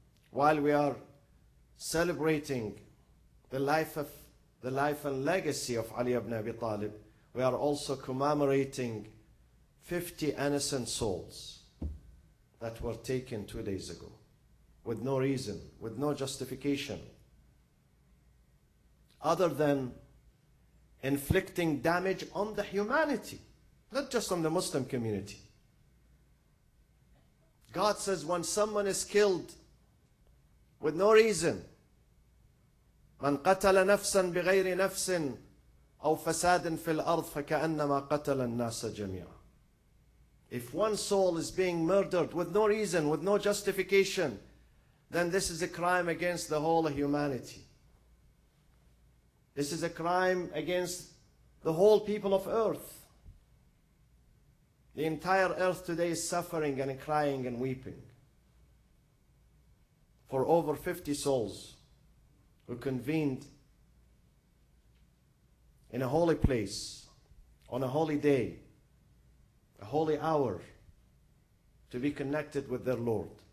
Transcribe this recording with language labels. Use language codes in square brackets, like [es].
[en] While we are celebrating the life and legacy of Ali ibn Abi Talib, we are also commemorating 50 innocent souls that were taken 2 days ago. With no reason, with no justification, other than inflicting damage on the humanity, not just on the Muslim community. God says when someone is killed with no reason, [ar] من قتل نفسا بغير نفس أو فساد في الأرض فكأنما قتل الناس جميعا. [en] If one soul is being murdered with no reason, with no justification, then this is a crime against the whole humanity. This is a crime against the whole people of earth. The entire earth today is suffering and crying and weeping for over 50 souls who convened in a holy place, on a holy day, a holy hour, to be connected with their Lord.